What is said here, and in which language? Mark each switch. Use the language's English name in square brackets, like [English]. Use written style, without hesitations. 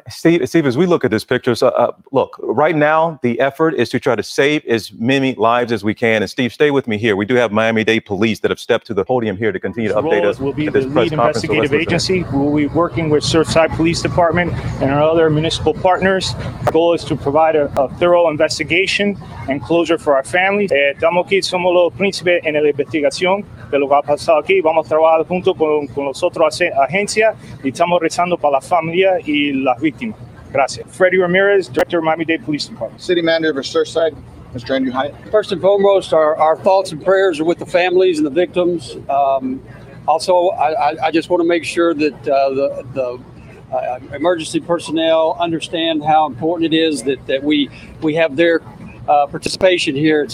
[English] Steve, as we look at this picture, look, right now the effort is to try to save as many lives as we can. And Steve, stay with me here. We do have Miami-Dade Police that have stepped to the podium here to continue to update us. Will be the lead investigative agency. We'll be working with Surfside Police Department and our other municipal partners. Our goal is to provide a thorough investigation and closure for our families. [Spanish] Estamos aquí, somos los príncipes en el investigación de lo que ha pasado aquí. Vamos a trabajar junto con los otros agencias y estamos rezando para la familia y las víctimas. Gracias. [English] Freddy Ramirez, Director of Miami-Dade Police Department. City Manager of Surfside, Mr. Andrew Hyatt. First and foremost, our thoughts and prayers are with the families and the victims. Also, I just want to make sure that the emergency personnel understand how important it is that we have their participation here.